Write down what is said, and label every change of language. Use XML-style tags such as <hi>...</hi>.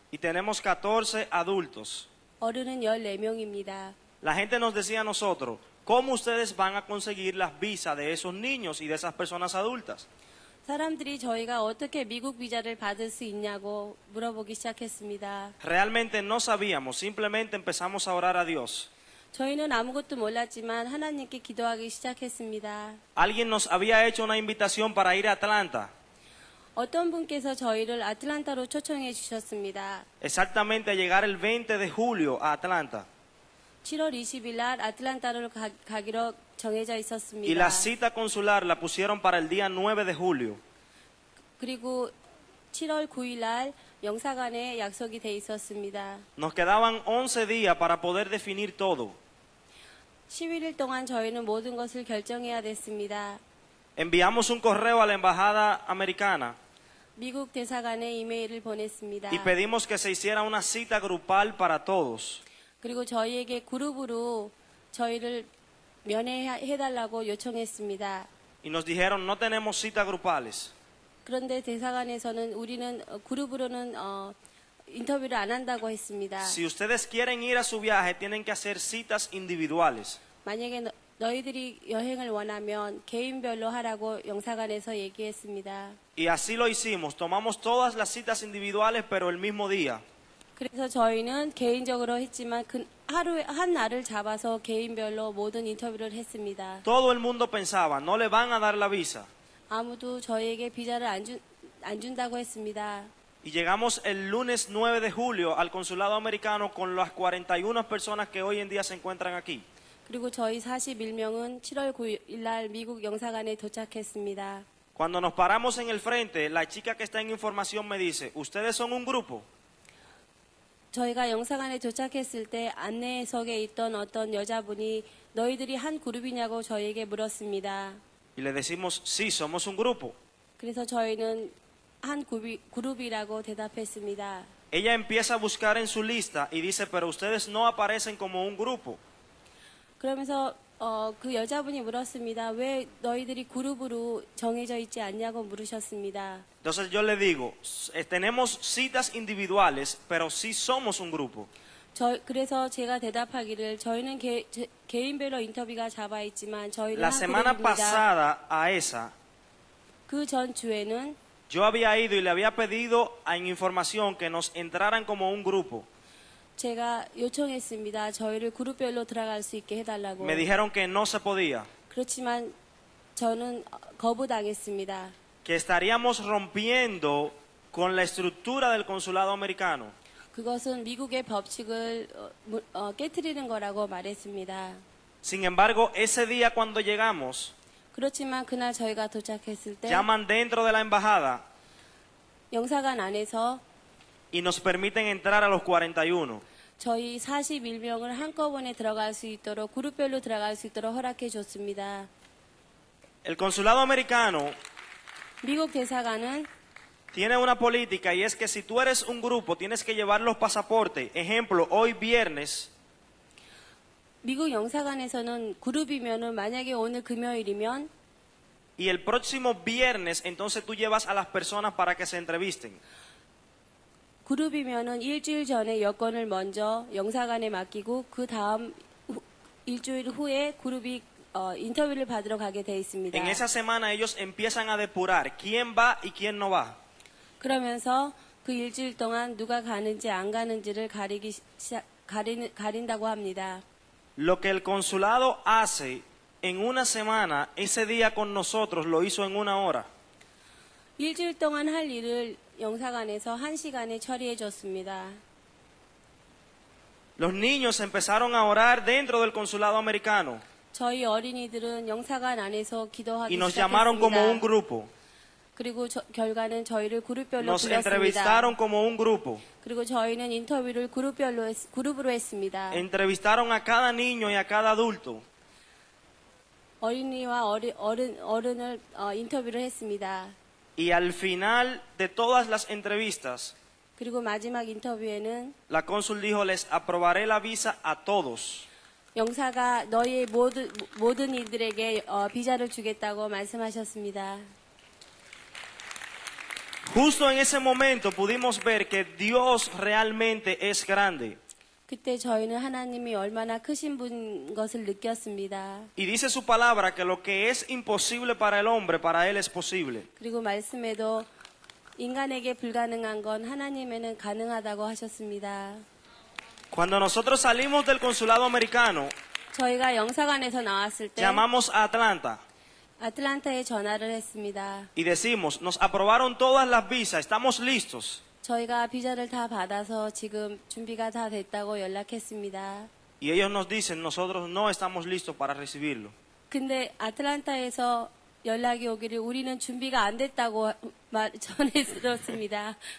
<es>Y tenemos 14 adultos.</es> <ko>어른은 14명입니다.</ko> <es>La gente nos decía a nosotros, ¿cómo ustedes van a conseguir las visas de esos niños y de esas personas adultas?</es> <ko>사람들이 저희가 어떻게 미국 비자를 받을 수 있냐고 물어보기 시작했습니다.</ko> <es>Realmente no sabíamos, simplemente empezamos a orar a Dios.</es> <ko>저희는 아무것도 몰랐지만 하나님께 기도하기 시작했습니다.</ko> <es>Alguien nos había hecho una invitación para ir a Atlanta.</es> <ko>어떤 분께서 저희를 아틀란타로 초청해 주셨습니다.</ko> <es>Exactamente a llegar el 20 de julio a Atlanta.</es> <ko>7월 20일 날 아틀란타로 가기로 정해져 있었습니다.</ko> <es>Y la cita consular la pusieron para el día 9 de julio.</es> <ko>그리고 7월 9일 날 영사관에 약속이 돼 있었습니다.</ko> <es>Nos quedaban 11 días para poder definir todo.</es> <ko>11일 동안 저희는 모든 것을 결정해야 됐습니다.</ko> <es>Enviamos un correo a la embajada americana.</es> <ko>미국 대사관에 이메일을 보냈습니다.</ko> <es>Y pedimos que se hiciera una cita grupal para todos.</es> <ko>그리고 저희에게 그룹으로 저희를 면회해 달라고 요청했습니다.</ko> <es>Y nos dijeron no tenemos cita grupales.</es> <ko>그런데 대사관에서는 우리는 그룹으로는 인터뷰를 안 한다고 했습니다.</ko> <es>Si ustedes quieren ir a su viaje tienen que hacer citas individuales.</es> <ko>만약에 너희들이 여행을 원하면 개인별로 하라고 영사관에서 얘기했습니다.</ko> <es>Y así lo hicimos. Tomamos todas las citas individuales pero el mismo día.</es> <ko>그래서 저희는 개인적으로 했지만 그 하루 한 날을 잡아서 개인별로 모든 인터뷰를 했습니다.</ko> <es>Todo el mundo pensaba, no le van a dar la visa.</es> <ko>아무도 저희에게 비자를 안 준다고 했습니다.</ko> <es>Y llegamos el lunes 9 de julio al consulado americano con las 41 personas que hoy en día se encuentran aquí.</es> <ko>그리고 저희 41명은 7월 9일 날 미국 영사관에 도착했습니다.</ko> <es>Cuando nos paramos en el frente, la chica que está en información me dice, "¿Ustedes son un grupo?"</es> <ko>저희가 영사관에 도착했을 때 안내석에 있던 어떤 여자분이 너희들이 한 그룹이냐고 저희에게 물었습니다.</ko> <es>Y le decimos, "Sí, somos un grupo."</es> <ko>그래서 저희는 한 그룹이라고 대답했습니다.</ko> <es>Ella empieza a buscar en su lista y dice, "Pero ustedes no aparecen como un grupo."</es> <ko>그러면서 그 여자분이 물었습니다. 왜 너희들이 그룹으로 정해져 있지 않냐고 물으셨습니다.</ko> <es>Entonces yo le digo, tenemos citas individuales, pero sí somos un grupo.</es> <ko>그래서 제가 대답하기를 저희는 개인별로 인터뷰가 잡아 있지만 저희는</ko> <es>La semana pasada a esa</es> <ko>그 전 주에는</ko> <es>Yo había ido y le había pedido en información que nos entraran como un grupo.</es> <ko>제가 요청했습니다. 저희를 그룹별로 들어갈 수 있게 해달라고.</ko> <es>Me dijeron que no se podía.</es> <ko>그렇지만 저는 거부당했습니다.</ko> <es>Que estaríamos rompiendo con la estructura del consulado americano.</es> <ko>그것은 미국의 법칙을 깨뜨리는 거라고 말했습니다.</ko> <es>Sin embargo, ese día cuando llegamos,</es> <ko>그렇지만 그날 저희가 도착했을 때,</ko> <es>llaman dentro de la embajada.</es> <ko>영사관 안에서</ko> <es>Y nos permiten entrar a los 41.</es> <ko>저희 41명을 한꺼번에 들어갈 수 있도록 그룹별로 들어갈 수 있도록 허락해 줬습니다.</ko> <es>El consulado americano</es> <ko>미국 대사관은</ko> <es>tiene una política y es que si tú eres un grupo tienes que llevar los pasaportes. Ejemplo, hoy viernes</es> <ko>미국 영사관에서는 그룹이면은 만약에 오늘 금요일이면</ko> <es>y el próximo viernes entonces tú llevas a las personas para que se entrevisten.</es> <ko>그룹이면은 일주일 전에 여권을 먼저 영사관에 맡기고 그 다음 일주일 후에 그룹이 인터뷰를 받으러 가게 돼 있습니다.</ko> <es>En esa semana ellos empiezan a depurar quién va y quién no va.</es> <ko>그러면서 그 일주일 동안 누가 가는지 안 가는지를 가린다고 합니다.</ko> <es>Lo que el consulado hace en una semana ese día con nosotros lo hizo en una hora.</es> <ko>일주일 동안 할 일을 영사관에서 한 시간에 처리해 줬습니다.</ko> <es>Los niños empezaron a orar dentro del consulado americano.</es> <ko>저희 어린이들은 영사관 안에서 기도하기</ko> <es>Y nos llamaron como un grupo.</es> <ko>그리고 결과는 저희를 그룹별로</ko> <es>Nos entrevistaron como un grupo.</es> <ko>그리고 저희는 인터뷰를 그룹으로 했습니다.</ko> <es>Entrevistaron a cada niño y a cada adulto.</es> <ko>어린이와 어른을 인터뷰를 했습니다.</ko> <es>Y al final de todas las entrevistas,</es> <ko>그리고 마지막 인터뷰에는</ko> <es>la cónsul dijo les aprobaré la visa a todos.</es> <ko>영사가 너희 모든 이들에게 비자를 주겠다고 말씀하셨습니다.</ko> <es>Justo en ese momento pudimos ver que Dios realmente es grande.</es> <ko>그때 저희는 하나님이 얼마나 크신 분 것을 느꼈습니다.</ko> <es>Y dice su palabra que lo que es imposible para el hombre, para él es posible.</es> <ko>그리고 말씀에도 인간에게 불가능한 건 하나님에는 가능하다고 하셨습니다.</ko> <es>Cuando nosotros salimos del consulado americano,</es> <ko>저희가 영사관에서 나왔을 때,</ko> <es>llamamos a Atlanta.</es> <ko>Atlanta에 전화를 했습니다.</ko> <es>Y decimos, nos aprobaron todas las visas, estamos listos.</es> <ko>저희가 비자를 다 받아서 지금 준비가 다 됐다고 연락했습니다.</ko> <es>Y ellos nos dicen, nosotros no estamos listos para recibirlo.</es> <ko>근데 아틀란타에서 연락이 오기를 우리는 준비가 안 됐다고 전해드렸습니다.</ko>